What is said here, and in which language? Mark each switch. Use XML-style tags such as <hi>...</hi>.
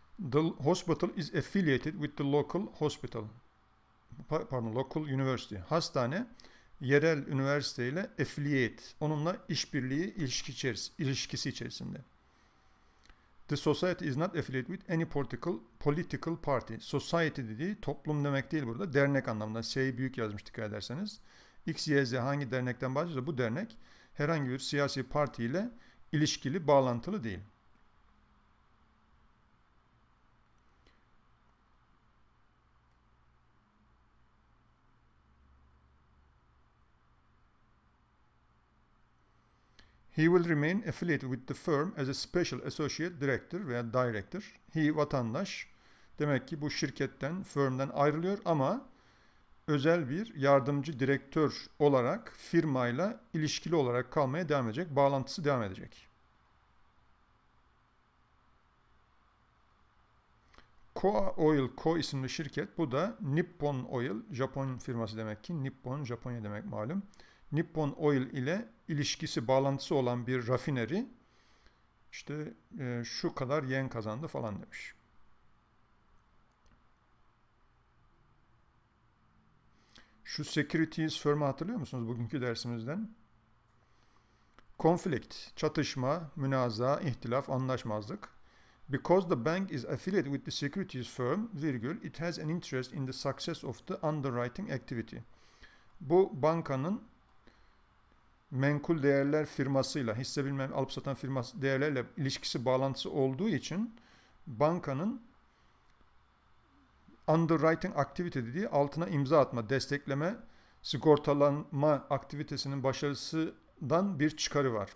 <en>The hospital is affiliated with the local hospital. Pardon, local university.</en> <tr>Hastane, yerel üniversiteyle affiliate. Onunla işbirliği ilişkisi içerisinde.</tr> <en>The society is not affiliated with any political party.</en> <tr>Society dediği toplum demek değil burada. Dernek anlamında. S'yi büyük yazmış dikkat ederseniz. X, Y, Z hangi dernekten bahsediyorsa bu dernek herhangi bir siyasi partiyle ilişkili, bağlantılı değil.</tr> <en>He will remain affiliated with the firm as a special associate director</en> <tr>veya</tr> <en>director.</en> <tr>He vatandaş. Demek ki bu şirketten, firmden ayrılıyor ama özel bir yardımcı direktör olarak firmayla ilişkili olarak kalmaya devam edecek. Bağlantısı devam edecek. Koa Oil Co. isimli şirket. Bu da Nippon Oil. Japon firması demek ki. Nippon, Japonya demek malum. Nippon Oil ile ilişkisi, bağlantısı olan bir rafineri işte şu kadar yen kazandı falan demiş. Şu securities firm'ı hatırlıyor musunuz bugünkü dersimizden? Conflict, çatışma, münazaa, ihtilaf, anlaşmazlık.</tr> <en>Because the bank is affiliated with the securities firm, virgül, it has an interest in the success of the underwriting activity.</en> <tr>Bu bankanın menkul değerler firmasıyla, hisse bilmem alıp satan firması değerlerle ilişkisi bağlantısı olduğu için bankanın underwriting activity dediği altına imza atma, destekleme, sigortalanma aktivitesinin başarısından bir çıkarı var.</tr>